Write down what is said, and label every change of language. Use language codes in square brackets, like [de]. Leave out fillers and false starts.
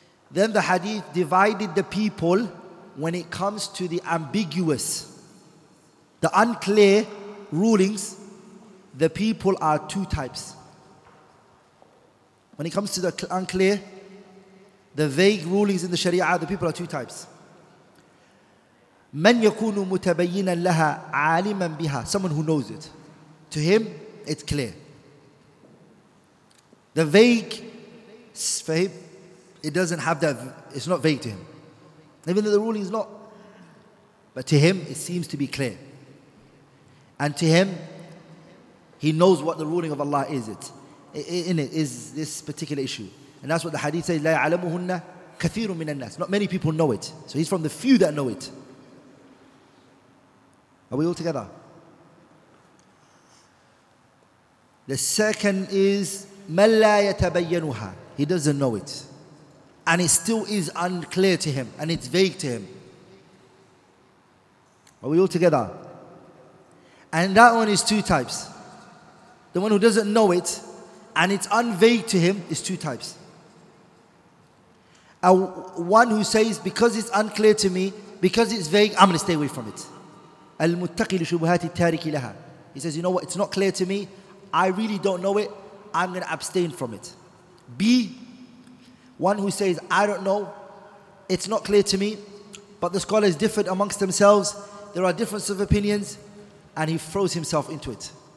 [en] Then the hadith divided the people when it comes to the ambiguous, the unclear rulings. The people are two types. When it comes to the unclear, the vague rulings in the Sharia, the people are two types. [ar] من يكون متبينا لها عالما بها, [en] someone who knows it. To him, it's clear. The vague, for him, it doesn't have that, it's not vague to him. Even though the ruling is not, but to him, it seems to be clear. And to him, he knows what the ruling of Allah is. It in it is this particular issue. And that's what the hadith says, [ar] لا يعلمهن كثير من الناس. [en] Not many people know it. So he's from the few that know it. Are we all together? The second is, [ar] من لا يتبينها. [en] He doesn't know it. And it still is unclear to him. And it's vague to him. Are we all together? And that one is two types. The one who doesn't know it, and it's unvague to him, is two types. One who says, because it's unclear to me, because it's vague, I'm going to stay away from it. [ar] المتقي لشبهات التارك لها. [en] He says, you know what, it's not clear to me, I really don't know it, I'm going to abstain from it. B, one who says, I don't know, it's not clear to me, but the scholars differed amongst themselves, there are differences of opinions, and he throws himself into it.